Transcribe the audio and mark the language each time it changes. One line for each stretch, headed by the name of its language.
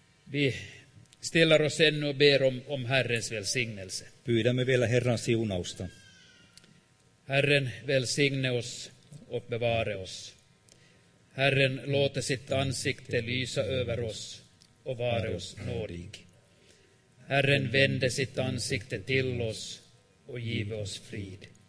Swedish: Vi ställer oss ännu och ber om Herrens välsignelse.
Finnish: Pyydämme vielä Herran siunausta.
Swedish: Herren välsigne oss och bevare oss. Herren låte sitt ansikte lysa över oss och vare oss nådig. Herren vände sitt ansikte till oss och give oss frid.